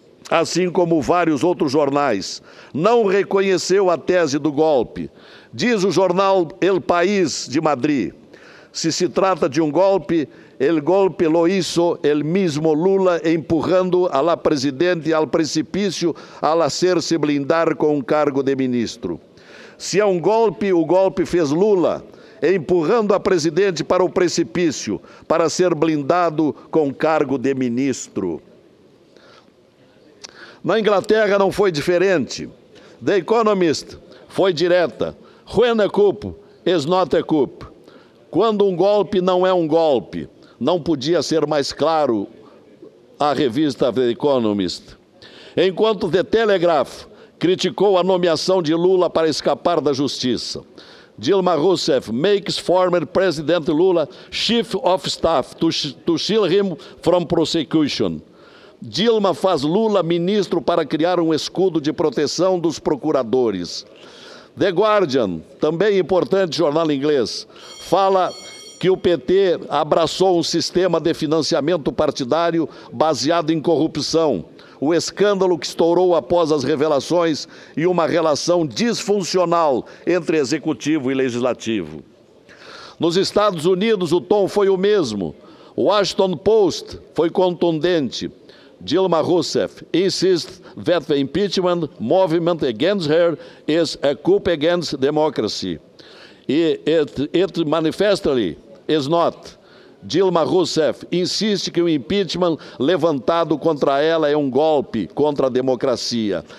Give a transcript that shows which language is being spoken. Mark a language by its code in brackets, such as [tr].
[pt] Assim como vários outros jornais, não reconheceu a tese do golpe. Diz o jornal El País, de Madrid: se se trata de um golpe, [es] el golpe lo hizo el mismo Lula empurrando a la presidente al precipicio al hacerse blindar con un cargo de ministro. [pt] Se é um golpe, o golpe fez Lula empurrando a presidente para o precipício para ser blindado com cargo de ministro. Na Inglaterra não foi diferente. The Economist foi direta. [en] When a coup is not a coup. [pt] Quando um golpe não é um golpe. Não podia ser mais claro a revista The Economist. Enquanto The Telegraph criticou a nomeação de Lula para escapar da justiça. [en] Dilma Rousseff makes former President Lula chief of staff to shield him from prosecution. [pt] Dilma faz Lula ministro para criar um escudo de proteção dos procuradores. The Guardian, também importante jornal inglês, fala que o PT abraçou um sistema de financiamento partidário baseado em corrupção. O escândalo que estourou após as revelações e uma relação disfuncional entre executivo e legislativo. Nos Estados Unidos, o tom foi o mesmo. O Washington Post foi contundente. [en] Dilma Rousseff insists that the impeachment movement against her is a coup against democracy. It manifestly is not. [pt] Dilma Rousseff insiste que o impeachment levantado contra ela é um golpe contra a democracia.